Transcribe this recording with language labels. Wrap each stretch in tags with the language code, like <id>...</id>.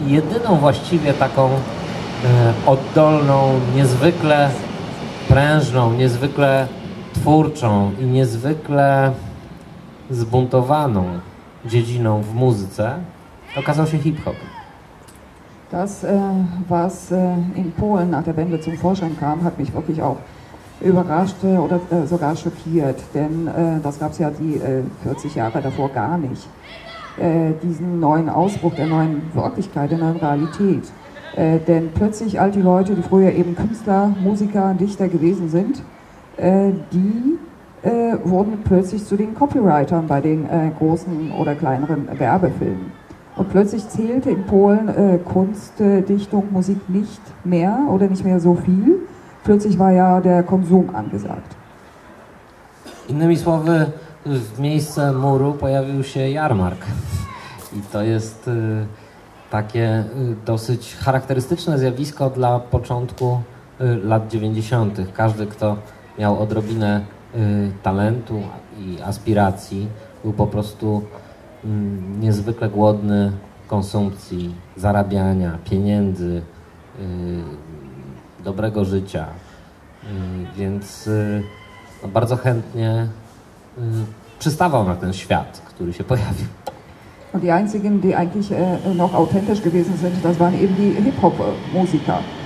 <pl>I jedyną właściwie taką oddolną, niezwykle prężną, niezwykle twórczą i niezwykle zbuntowaną dziedziną w muzyce okazał się hip-hop.</pl> <de>Das, was in Polen nach der Wende zum Vorschein kam, hat mich wirklich auch überrascht oder sogar schockiert, denn das gab es ja die 40 Jahre davor gar nicht. Diesen neuen Ausbruch der neuen Wirklichkeit, der neuen Realität. Denn plötzlich all die Leute, die früher eben Künstler, Musiker, Dichter gewesen sind, die wurden plötzlich zu den Copywritern bei den großen oder kleineren Werbefilmen. Und plötzlich zählte in Polen Kunst, Dichtung, Musik nicht mehr oder nicht mehr so viel. Plötzlich war ja der Konsum angesagt.</de> <pl>Innymi słowy, w miejsce muru pojawił się jarmark. I to jest takie dosyć charakterystyczne zjawisko dla początku lat 90. Każdy, kto miał odrobinę talentu i aspiracji, był po prostu niezwykle głodny konsumpcji, zarabiania, pieniędzy, dobrego życia. Więc no, bardzo chętnie przystawał na ten świat, który się pojawił.</pl> <de>Und die einzigen, die eigentlich noch authentisch gewesen sind, das waren eben die Hip-Hop-Musiker.</de>